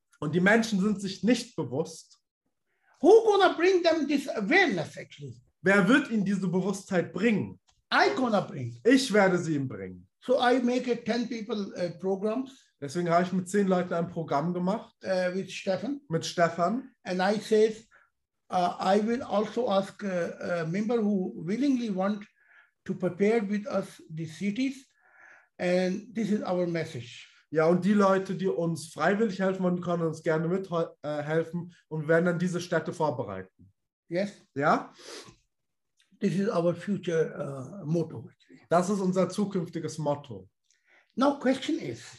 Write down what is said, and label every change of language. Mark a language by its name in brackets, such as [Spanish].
[German] Und die Menschen sind sich nicht bewusst. [English] Who gonna bring them this awareness, actually? [German] Wer wird ihnen diese Bewusstheit bringen? [English] I gonna bring. [German] Ich werde sie ihm bringen. [English] So I make a 10 people programs. [German] Deswegen habe ich mit 10 Leuten ein Programm gemacht. [English] With Stefan. [German] Mit Stefan. [English] And I say, I will also ask a member who willingly want to prepare with us the cities. And this is our message. [German] Ja, und die Leute, die uns freiwillig helfen wollen, können uns gerne mithelfen und werden dann diese Städte vorbereiten. [English] Yes. [German] Ja. [English] This is our future motto. [German] Das ist unser zukünftiges Motto. [English] Now question is.